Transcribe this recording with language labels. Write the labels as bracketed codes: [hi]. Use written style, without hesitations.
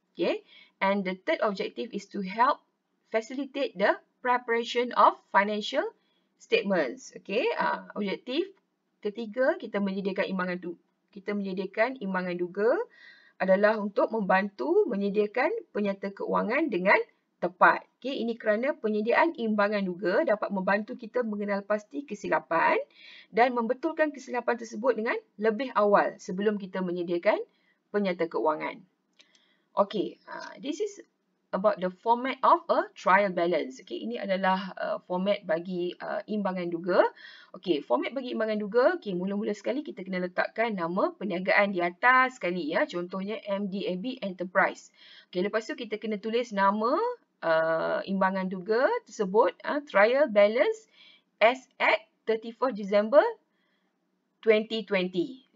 [en] Okay, and the third objective is to help facilitate the preparation of financial statements. [ms] Okay, objektif ketiga, kita menyediakan imbangan duga adalah untuk membantu menyediakan penyata keuangan dengan tepat. Okay, ini kerana penyediaan imbangan duga dapat membantu kita mengenal pasti kesilapan dan membetulkan kesilapan tersebut dengan lebih awal sebelum kita menyediakan penyata keuangan. [en] Okay, this is about the format of a trial balance. [ms] Okay, ini adalah format bagi imbangan duga. Okay, format bagi imbangan duga, okay, mula-mula sekali kita kena letakkan nama perniagaan di atas sekali, ya. Contohnya MDAB Enterprise. Okay, lepas tu kita kena tulis nama imbangan duga tersebut, [en] trial balance as at 31 December 2020.